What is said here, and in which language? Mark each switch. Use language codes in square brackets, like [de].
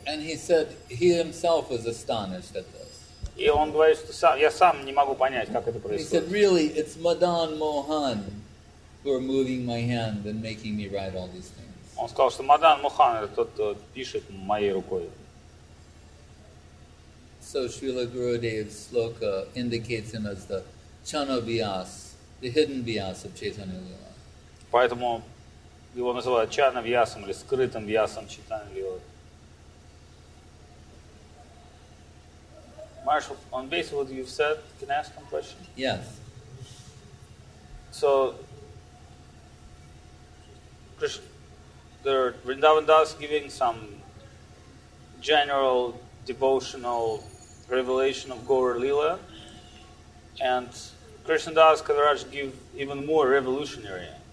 [en] And he said he himself was astonished at this. [ru] И он говорит, что я сам не могу понять, как это происходит. [en] He said, really, it's Madan Mohan who are moving my hand and making me write all these things. [ru] Он сказал, что Мадан Мохан это тот, кто пишет моей рукой. [en] So Srila Gurudev's sloka indicates him as the Chano Vyas, the hidden Vyas of Chaitanya Lila. [ru] Поэтому его называют Чана Вьясом или скрытым Вьясом Чайтаньи Лилы. [en] Marshall, on base of what you've said, can I ask one question? Yes. So, Krishna, Vrindavan Das giving some general devotional revelation of Gaur Lila, and Krishna Das Kaviraj give even more revolutionary.